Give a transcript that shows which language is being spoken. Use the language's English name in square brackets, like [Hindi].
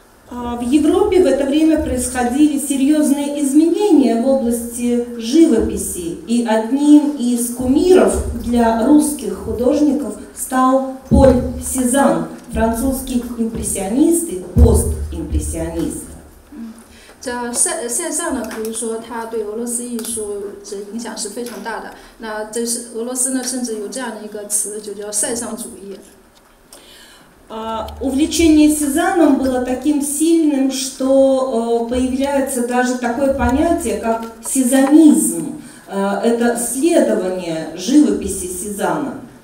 [Russian] В Европе в это время происходили серьезные изменения в области живописи, и одним из кумиров для русских художников стал Поль Сезанн, французский импрессионист и постимпрессионист. [Chinese] 这塞尚呢，可以说他对俄罗斯艺术的影响是非常大的。那这是俄罗斯呢，甚至有这样的一个词，就叫塞尚主义。 [Russian] Увлечение Сезанном было таким сильным, что появляется даже такое понятие, как сезанизм. Это следование живописи Сезанна.